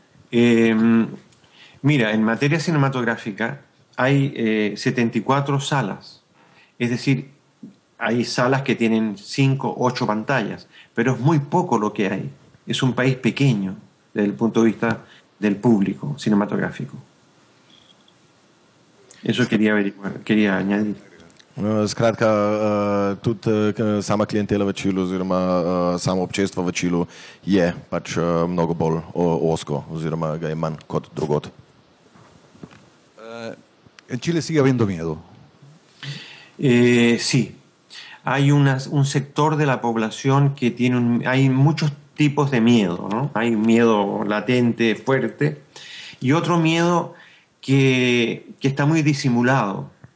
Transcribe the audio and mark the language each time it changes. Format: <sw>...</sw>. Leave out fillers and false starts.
<es>Mira, en materia cinematográfica hay 74 salas. Es decir, hay salas que tienen 5, 8 pantallas, pero es muy poco lo que hay. Es un país pequeño desde el punto de vista del público cinematográfico. Eso quería añadir.</es> <sl>Skratka, tudi sama klientela v Čilu oziroma samo občestvo v Čilu je pač mnogo bolj osko oziroma ga je manj kot drugod.</sl> <es>En Chile sigue habiendo miedo? Sí. Hay un sector de la población que tiene hay muchos tipos de miedo, ¿no? Hay miedo latente, fuerte, y otro miedo que está muy disimulado.</es>